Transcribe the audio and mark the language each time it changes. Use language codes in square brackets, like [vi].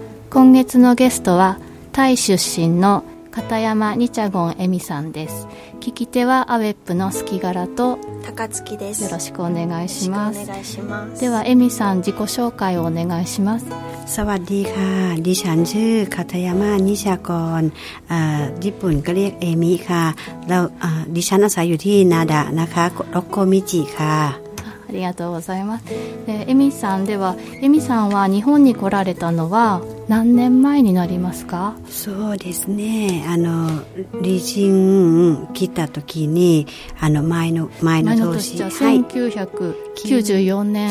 [ja] 今月のゲストはタイ出身の片山にちゃごん恵美さんです。聞き手はアウェップの好き柄と高月です。よろしくお願いします。お願いします。では恵美さん、自己紹介をお願いします。 [th] สวัสดีค่ะดิฉันชื่อคาทายามะนิชากรญี่ปุ่นก็เรียกเอมิค่ะแล้วดิฉันอาศัยอยู่ที่นาดะนะคะร็อกโกมิจิค่ะ [ja] ありがとうございます。エミさん、ではエミさんは日本に来られたのは何年前になりますか？そうですね、あの離陣来た時に、あの前の年、はい、1994年、